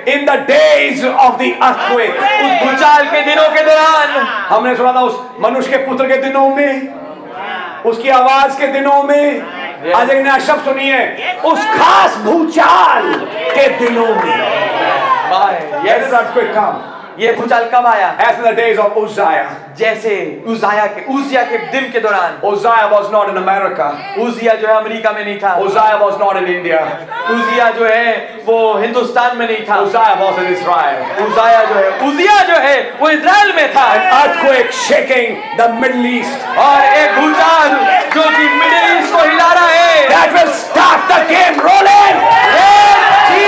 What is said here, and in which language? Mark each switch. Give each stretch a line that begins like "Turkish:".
English: In the days of the earthquake,
Hindi: उस भूचाल के दिनों के दौरान. हमने सुना था उस मनुष्य के पुत्र के दिनों में, उसकी आवाज के दिनों में. आज एक नया शब्द सुनिए, उस खास भूचाल के दिनों में.
English: Yes,
Hindi: earthquake कम. ये भूचाल कब आया?
English: As in the days of Uzziah.
Hindi: जैसे उज़िया के दिन के दौरान.
English: Uzziah was not in America.
Hindi: उज़िया जो है अमेरिका में नहीं था.
English: Uzziah was not in India.
Hindi: उज़िया जो है वो हिंदुस्तान में नहीं था.
English: Uzziah was in Israel.
Hindi: उज़िया जो है वो इज़राइल में था.
English: An earthquake shaking the Middle East.
Hindi: और एक भूचाल जो कि मिडिल ईस्ट को हिला रहा है.
English: That will start the game rolling.